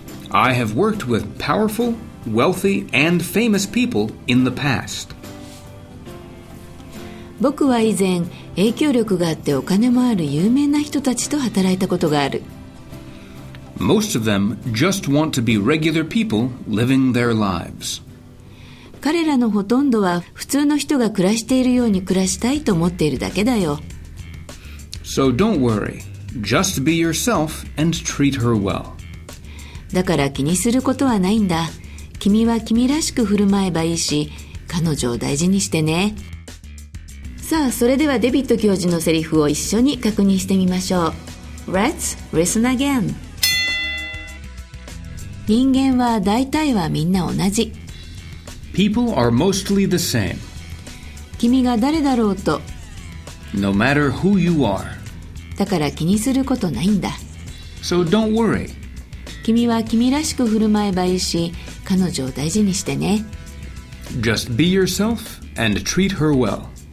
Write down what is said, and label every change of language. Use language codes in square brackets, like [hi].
[en] I have worked with powerful, wealthy, and famous people in the past. [ja] 僕は以前、影響力があってお金もある有名な人たちと働いたことがある。 [en] Most of them just want to be regular people living their lives. [ja] 彼らのほとんどは普通の人が暮らしているように暮らしたいと思っているだけだよ。 [en] So don't worry. Just be yourself and treat her well. [ja] だから気にすることはないんだ。君は君らしく振る舞えばいいし、彼女を大事にしてね。さあ、それではデビット教授のセリフを一緒に確認してみましょう。 [en] Let's listen again. [ja] 人間は大体はみんな同じ。 [en] People are mostly the same. [ja] 君が誰だろうと。 [en] No matter who you are. [ja] だから気にすることないんだ。 [en] So don't worry. [ja] 君は君らしく振る舞えばいいし、彼女を大事にしてね。 [en] Just be yourself and treat her well.